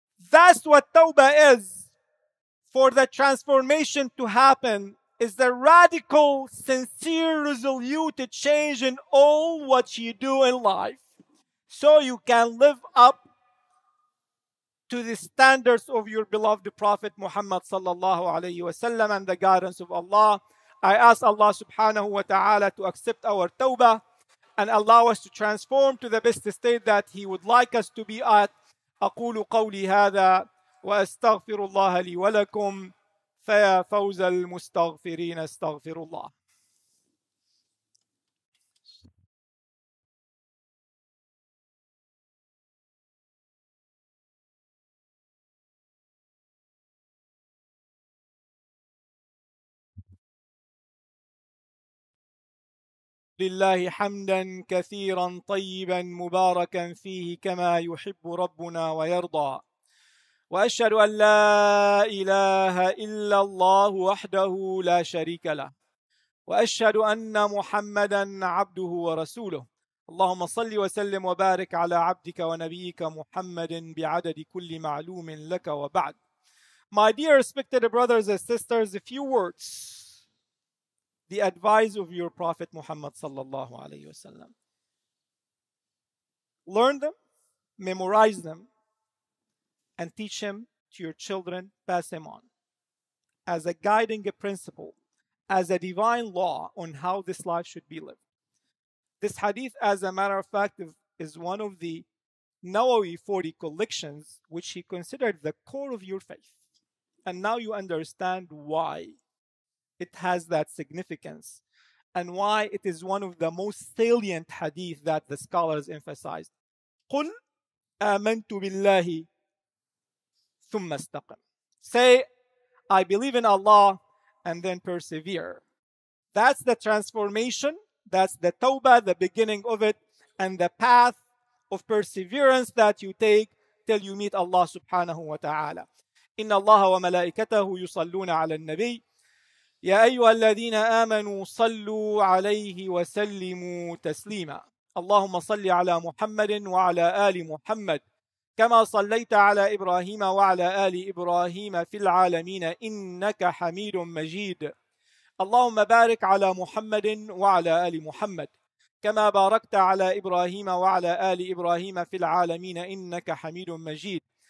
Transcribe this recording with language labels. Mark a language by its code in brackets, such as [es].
[en] That's what tawbah is. For the transformation to happen is the radical, sincere, resolute change in all what you do in life so you can live up to the standards of your beloved Prophet Muhammad sallallahu alayhi wa sallam and the guidance of Allah. I ask Allah subhanahu wa ta'ala to accept our tawbah and allow us to transform to the best state that He would like us to be at. [ar] أقول قولي هذا وأستغفر الله لي ولكم فيا فوز المستغفرين استغفر الله. لله حمدا كثيرا طيبا مباركا فيه كما يحب ربنا ويرضى وأشهد أن لا إله إلا الله وحده لا شريك له وأشهد أن محمدا عبده ورسوله اللهم صل وسلم وبارك على عبدك ونبيك محمد بعدد كل معلوم لك وبعد. [en] My dear respected brothers and sisters, a few words. The advice of your Prophet Muhammad sallallahu alayhi wasallam. Learn them, memorize them, and teach them to your children, pass them on. As a guiding principle, as a divine law on how this life should be lived. This hadith, as a matter of fact, is one of the Nawawi 40 collections, which he considered the core of your faith. And now you understand why. It has that significance. and why it is one of the most salient hadith that the scholars emphasized. [ar] قُلْ آمَنْتُ بِاللَّهِ ثُمَّ اسْتَقِمْ. [en] Say, I believe in Allah, and then persevere. That's the transformation, that's the tawbah, the beginning of it, and the path of perseverance that you take till you meet Allah subhanahu wa ta'ala. [ar] إِنَّ اللَّهَ وَمَلَائِكَتَهُ يُصَلُّونَ عَلَى النَّبِيِّ يا أيها الذين آمنوا صلوا عليه وسلموا تسليما اللهم صل على محمد وعلى آل محمد كما صليت على إبراهيم وعلى آل إبراهيم في العالمين إنك حميد مجيد اللهم بارك على محمد وعلى آل محمد كما باركت على إبراهيم وعلى آل إبراهيم في العالمين إنك حميد مجيد